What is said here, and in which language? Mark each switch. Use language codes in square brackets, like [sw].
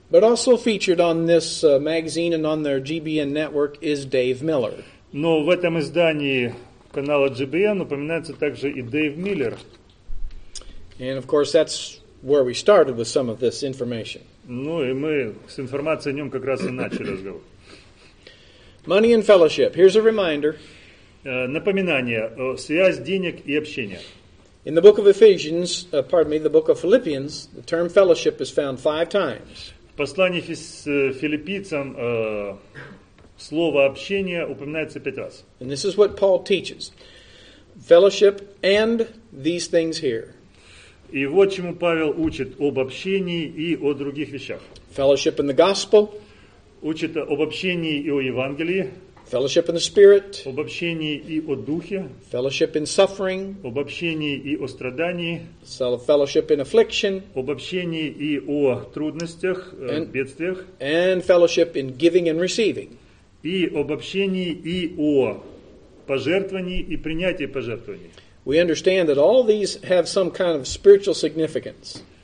[en] But also featured on this magazine and on their GBN network is Dave Miller. [ru] Но в этом издании канала GBN упоминается также и Дэйв Миллер. [en] And of course that's where we started with some of this information. [ru] Ну и мы с информацией о нем как раз и начали разговор. [en] Money and fellowship. Here's a reminder. [ru] Напоминание. Связь денег и общения. [en] In the book of Ephesians, the book of Philippians, the term fellowship is found 5 times. [ru] В послании филиппийцам слово общение упоминается 5 раз. [en] And this is what Paul teaches. Fellowship and these things here. [ru] И вот чему Павел учит об общении и о других вещах. [en] Fellowship in the gospel. [ru] Учит об общении и о Евангелии. [en] Fellowship in the spirit. [ru] Об общении и о духе. [en] Fellowship in suffering. [ru] Об общении и о страдании. [en] Fellowship in affliction. [ru] Об общении и о трудностях, бедствиях. [en] And fellowship in giving and receiving. [ru] И об общении и о пожертвовании и принятии пожертвований. [en] We understand that all these have some kind of spiritual significance.